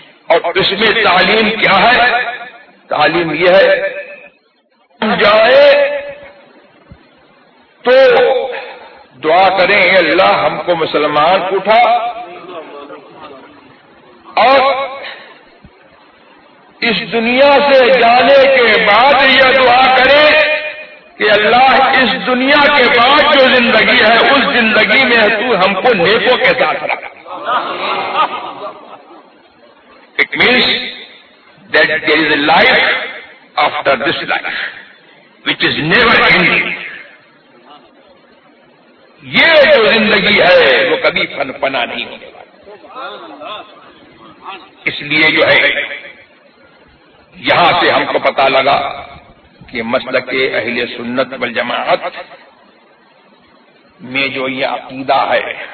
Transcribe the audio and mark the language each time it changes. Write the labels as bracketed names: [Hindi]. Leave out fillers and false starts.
[Urdu] اور اس میں تعلیم کیا ہے؟ تعلیم یہ ہے جائے تو دعا کریں اللہ ہم کو مسلمان اٹھا اور اس دنیا سے جانے کے بعد یہ دعا کریں کہ اللہ اس دنیا کے بعد جو زندگی ہے اس زندگی میں تو ہم کو نیکوں کے ساتھ رکھ. [English] It means that there is a life after this life which is never ending. [Urdu] یہ جو زندگی ہے وہ کبھی فن پنا نہیں ہونے والا. اس لیے جو ہے یہاں سے ہم کو پتا لگا کہ مسلک اہل سنت والجماعت میں جو یہ عقیدہ ہے